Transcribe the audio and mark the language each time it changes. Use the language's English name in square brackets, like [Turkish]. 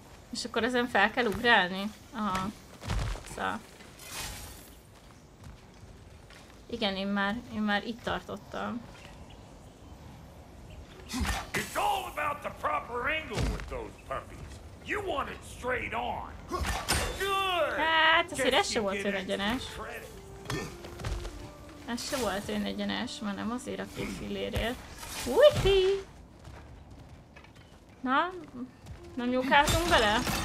[Hungarian] És akkor ezen fel kell ugrálni? Aha. Igen, én már itt tartottam. [English] It's all about the proper angle with those puppies. You want it straight on. Good. [Hungarian] Hát, azért ez se volt olyan egyenes. Ez se volt olyan egyenes, már nem azért a két fillérért. Uiti! Na? Nem nyúkáltunk bele?